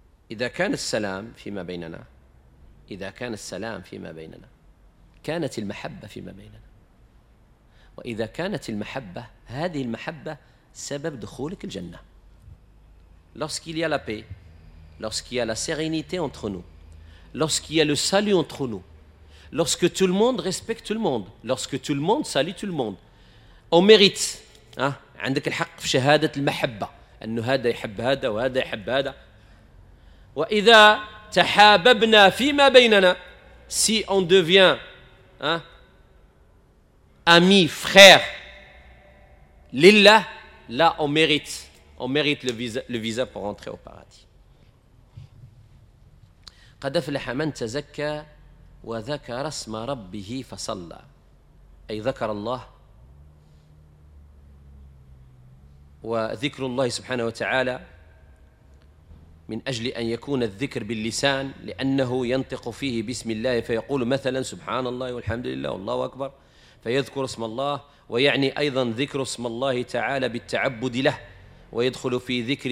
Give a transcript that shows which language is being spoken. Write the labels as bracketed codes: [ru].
[ar] إذا كان السلام فيما بيننا، إذا كان السلام فيما بيننا كانت المحبة فيما بيننا، وإذا كانت المحبة هذه المحبة سبب دخولك الجنة. [fr] lorsqu'il y a la paix, lorsqu'il y a la sérénité entre nous, lorsqu'il y a le salut entre nous, lorsque tout le monde respecte tout le monde, lorsque tout le monde salue tout le monde, on mérite. [ar] عندك الحق في شهادة المحبة، أنه هذا يحب هذا وهذا يحب هذا. وإذا تحاببنا فيما بيننا، [fr] si on devient ami, frère, lillah, là on mérite le visa pour entrer au paradis. [ar] قد أفلح من تزكى وذكر اسم ربه فصلى، أي ذكر الله، وذكر الله سبحانه وتعالى من أجل أن يكون الذكر باللسان، لأنه ينطق فيه باسم الله فيقول مثلا سبحان الله والحمد لله والله أكبر، فيذكر اسم الله، ويعني أيضا ذكر اسم الله تعالى بالتعبد له، ويدخل في